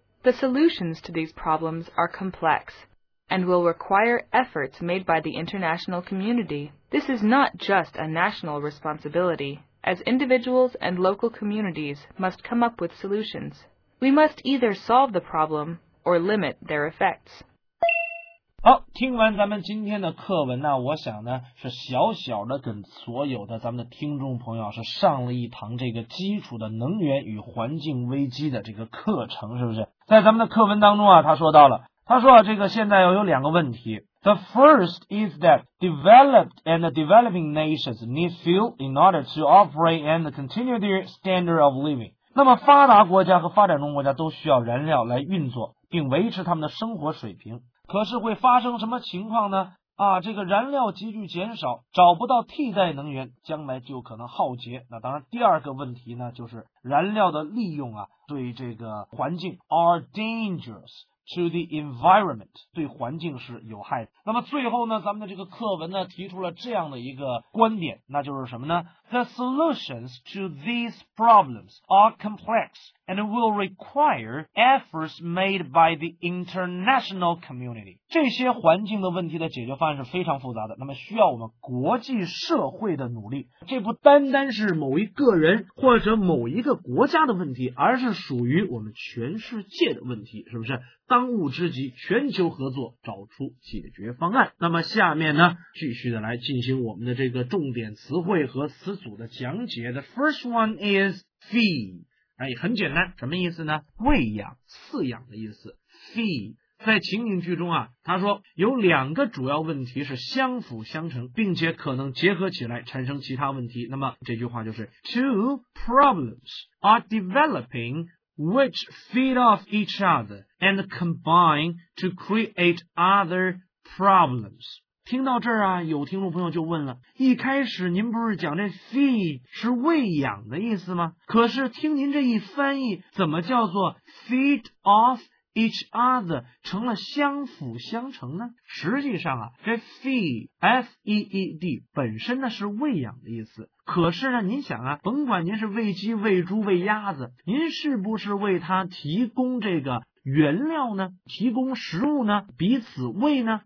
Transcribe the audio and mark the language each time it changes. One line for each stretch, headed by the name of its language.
English: The solutions to these problems are complex. And will require efforts made by the international community. This is not just a national responsibility, as individuals and local communities must come up with solutions. We must either solve the problem or limit their effects.
Chinese: 好，听完咱们今天的课文呢，我想呢是小小的跟所有的咱们的听众朋友是上了一堂这个基础的能源与环境危机的这个课程，是不是？在咱们的课文当中啊，他说到了。他说啊，这个现在要有两个问题。
English: The first is that developed and developing nations need fuel in order to operate and continue their standard of living.
Chinese: 那么发达国家和发展中国家都需要燃料来运作并维持他们的生活水平。可是会发生什么情况呢？啊，这个燃料急剧减少，找不到替代能源，将来就可能耗竭。那当然第二个问题呢，就是燃料的利用啊，对这个环境
English: are dangerous. To the environment,
Chinese: 对环境是有害的。那么最后呢，咱们的这个课文呢提出了这样的一个观点，那就是什么呢？
English: The solutions to these problems are complex and will require efforts made by the international community.
Chinese: 这些环境的问题的解决方案是非常复杂的，那么需要我们国际社会的努力。这不单单是某一个人或者某一个国家的问题，而是属于我们全世界的问题，是不是？当务之急，全球合作找出解决方案。那么下面呢，继续的来进行我们的这个重点词汇和词组的讲解。
English: The first one is feed.
Chinese: 哎，很简单，什么意思呢？喂养、饲养的意思。Feed 在情景剧中啊，他说有两个主要问题是相辅相成，并且可能结合起来产生其他问题。那么这句话就是
English: Two problems are developing which feed off each other and combine to create other problems.
Chinese: 听到这儿啊，有听众朋友就问了，一开始您不是讲这 feed 是喂养的意思吗？可是听您这一翻译，怎么叫做
English: feed off each other
Chinese: 成了相辅相成呢？实际上啊，这 feed 本身呢是喂养的意思，可是呢您想啊，甭管您是喂鸡喂猪喂鸭子，您是不是为它提供这个原料呢，提供食物呢，彼此喂呢？